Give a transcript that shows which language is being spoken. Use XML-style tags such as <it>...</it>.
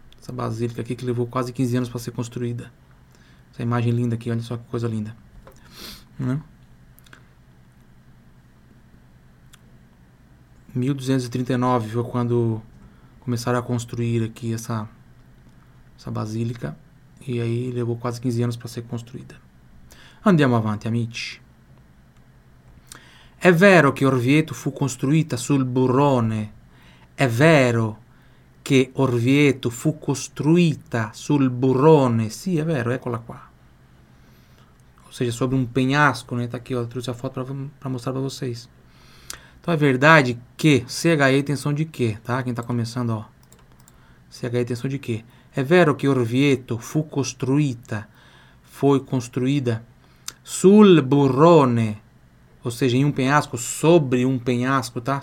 <pt>Essa basílica aqui que levou quase 15 anos para ser construída. Essa imagem linda aqui, olha só que coisa linda. Né? 1239 foi quando começaram a construir aqui essa basílica. E aí levou quase 15 anos para ser construída.</pt> <it>Andiamo avanti, amici. È vero che Orvieto fu costruita sul burrone. È vero che Orvieto fu costruita sul burrone. Sì, è vero, eccola qua.</it> <pt>Ou seja, sobre um penhasco, né? Tá aqui, ó, trouxe a foto para mostrar para vocês. Então, é verdade que CHE tem som de quê, tá? Quem tá começando, ó. CHE tem som de quê?</pt> <it>É vero que Orvieto fu costruita,</it> <pt>foi construída</pt> <it>sul burrone,</it> <pt>ou seja, em um penhasco, sobre um penhasco, tá?</pt>